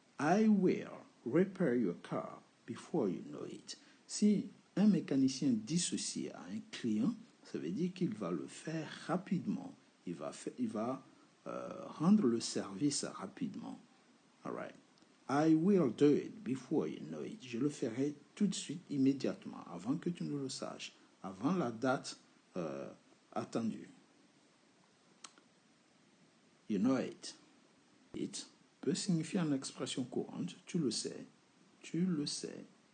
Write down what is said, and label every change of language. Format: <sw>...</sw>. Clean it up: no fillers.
<en>I will repair your car before you know it.</en> <fr>Si un mécanicien dit ceci à un client, ça veut dire qu'il va le faire rapidement. Il va rendre le service rapidement.</fr> <en>All right. I will do it before you know it.</en> <fr>Je le ferai tout de suite, immédiatement, avant que tu ne le saches, avant la date attendue.</fr> <en>You know it.</en> <fr>It peut signifier une expression courante. Tu le sais. Tu le sais.</fr>